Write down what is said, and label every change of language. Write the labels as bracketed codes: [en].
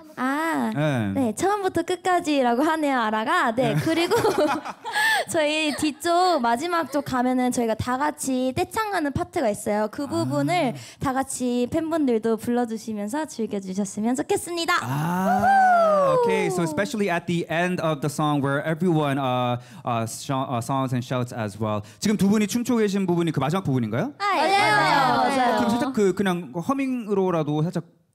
[ko] 아 네. 네 처음부터 끝까지라고 하네요 아라가. 네, 네. 그리고 저희 뒤쪽 마지막 쪽 가면은 저희가 다 같이 떼창하는 파트가 있어요. 그 부분을 다 같이 팬분들도 불러주시면서 즐겨주셨으면 좋겠습니다. 아 오케이. [en] So especially at the end of the song where everyone songs and shouts as well. [ko] 지금 두 분이 춤추고 계신 부분이 그 마지막 부분인가요? 맞아요. 맞아요. 맞아요. 맞아요. 그럼 살짝 그 그냥 허밍으로라도 살짝.